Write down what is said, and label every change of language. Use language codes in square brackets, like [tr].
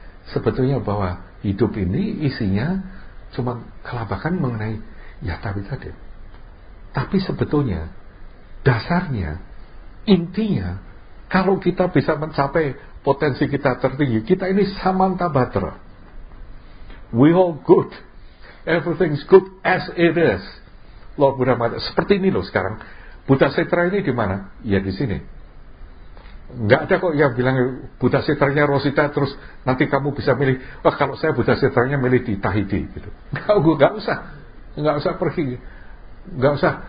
[id] Sebetulnya bahwa hidup ini isinya cuma kelabakan mengenai ya tapi tadi. Tapi sebetulnya dasarnya, intinya, kalau kita bisa mencapai potensi kita tertinggi, kita ini Samanta Batra. [en] We all good. Everything's good as it is. Lord Buddha Mata. [id] Seperti ini loh sekarang. Buddha Setra ini di mana? Ya di sini. Enggak ada kok yang bilang Buddha Setranya Rosita terus nanti kamu bisa milih. Wah, kalau saya Buddha Setranya milih di Tahiti gitu. Enggak usah. Enggak usah pergi. Enggak usah.